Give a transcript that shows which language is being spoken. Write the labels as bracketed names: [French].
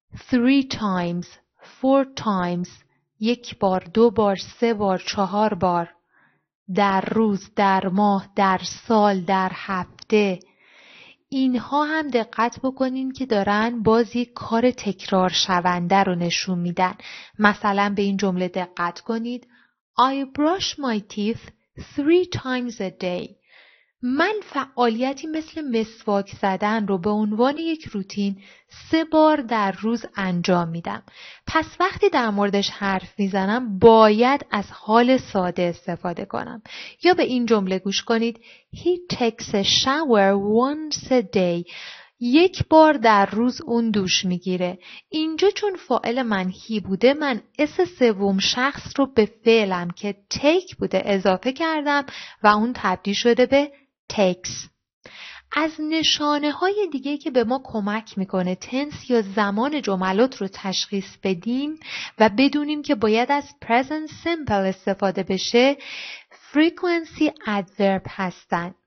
[English] three times، four times، [Persian] یک بار، دو بار، سه بار، چهار بار، در روز، در ماه، در سال، در هفته. اینها هم دقت بکنین که دارن بازی کار تکرار شونده رو نشون میدن. مثلا به این جمله دقت کنید. [English] I brush my teeth 3 times a day. [Persian] من فعالیتی مثل مسواک زدن رو به عنوان یک روتین 3 بار در روز انجام میدم. پس وقتی در موردش حرف میزنم باید از حال ساده استفاده کنم. یا به این جمله گوش کنید. [English] He takes a shower once a day. [Persian] 1 بار در روز اون دوش میگیره. اینجا چون فاعل من هی بوده، من اس سوم شخص رو به فعلم که take بوده اضافه کردم و اون تبدیل شده به takes. از نشانه های دیگه که به ما کمک میکنه تنس یا زمان جملات رو تشخیص بدیم و بدونیم که باید از present simple استفاده بشه frequency adverb هستن.